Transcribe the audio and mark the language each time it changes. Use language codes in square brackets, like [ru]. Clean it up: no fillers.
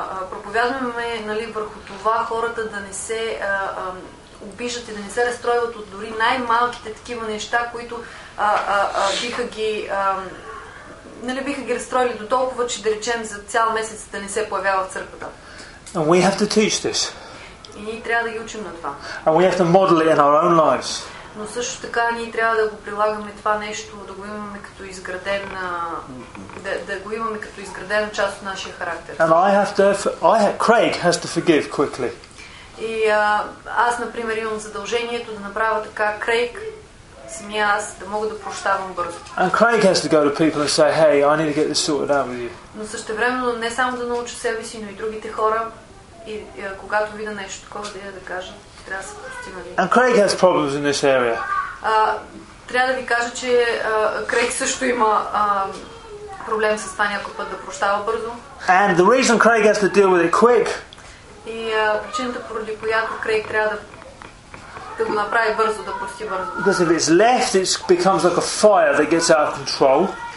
[bg] Проповядваме, нали, върху това хората да не се обиждат и да не се разстройват от дори най-малките такива неща, които биха ги разстроили до толкова, че да речем за цял месец да не се появява в църквата. [en] And we have to teach this. [bg] И ние трябва да ги учим на това. [en] And we have to model it in our own lives. [bg] Но също така ние трябва да го прилагаме това нещо, да го имаме като изграден, част от нашия характер. [en] And Craig has to forgive quickly. [bg] И аз, например, имам задължението да направя така Крейг, самия аз, да мога да прощавам бързо. [en] And Craig has to go to people and say, hey, I need to get this sorted out with you. [bg] Но същевременно не само да науча себе си, но и другите хора, и когато видя нещо такова, да кажа, трябва да се прости, нали. [en] And Craig has problems in this area. [bg] Трябва да ви кажа, че Крейг също има проблем с това някой път да прощава бързо. [en] And the reason Craig has to deal with it quick. [bg] И причината, поради която Крейг трябва да го направи бързо, да прости бързо. [en] Because if it's left, it becomes like a fire that gets out of control.